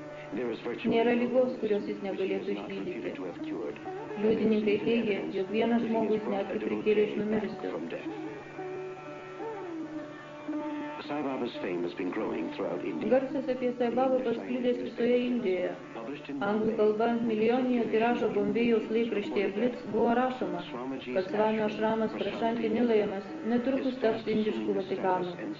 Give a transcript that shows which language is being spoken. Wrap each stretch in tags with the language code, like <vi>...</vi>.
<lt>Nėra lygos, kurios jis negalėtų išgydyti. Liudininkai teigia, jog vienas žmogus netgi prikėlė iš numirusių.</lt> <en>Sai Baba's fame has been growing throughout India.</en> <lt>Garsas apie Sai Baba pasklidęs visoje Indijoje. Anglų kalba milijoninio tiražo Bombėjaus laikraštyje Blitz buvo rašoma, kad Svamio Ašramas Prašanti Nilayamas netrukus taps indiškų Vatikanų.</lt>